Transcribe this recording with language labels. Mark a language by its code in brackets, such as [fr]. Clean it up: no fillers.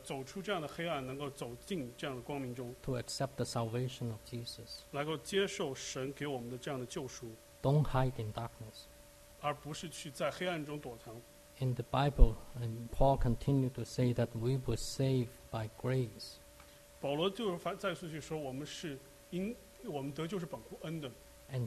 [zh] 我们需要做的就是走出这样的黑暗，能够走进这样的光明中。 [en] To accept the salvation of Jesus. [zh] 能够接受神给我们的这样的救赎。 [en] Don't hide in darkness. [zh] 而不是去在黑暗中躲藏。 [en] In the Bible, and Paul continued to say that we were saved by grace. [zh] 保罗就是再次去说，我们得救是本乎恩的。 [en] And